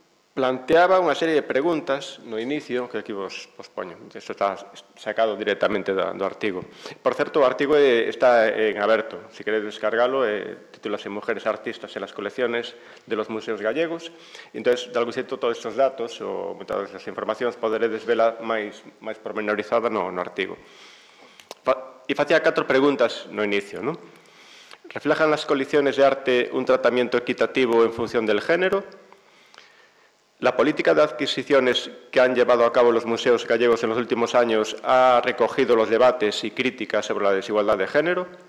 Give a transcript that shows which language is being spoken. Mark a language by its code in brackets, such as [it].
[gl] Planteaba unha serie de preguntas no inicio, que aquí vos poño, isto está sacado directamente do artigo. Por certo, o artigo está en aberto, se queres descargalo, titulase Mujeres Artistas en las Colecciones de los Museos Gallegos. Entón, de algún xeito, todos estes datos ou moitas das informacións podere desvelar máis pormenorizada no artigo. E facía 4 preguntas no inicio, [es] ¿no? ¿Reflejan las colecciones de arte un tratamiento equitativo en función del género? ¿La política de adquisiciones que han llevado a cabo los museos gallegos en los últimos años ha recogido los debates y críticas sobre la desigualdad de género?